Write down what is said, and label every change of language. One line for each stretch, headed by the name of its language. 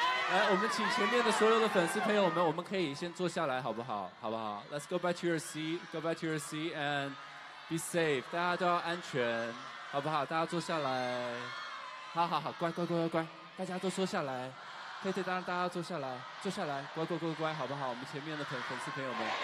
Chinese: 来，我们请前面的所有的粉丝朋友们，我们可以先坐下来，好不好？好不好
English: ？Let's go back to your seat. Go back to your seat and be safe.
Chinese: 大家都要安全，好不好？大家坐下来。好好好，乖乖乖乖乖，大家都坐下来。可以，当然大家坐下来，坐下来，乖乖乖乖，好不好？我们前面的粉丝朋友们。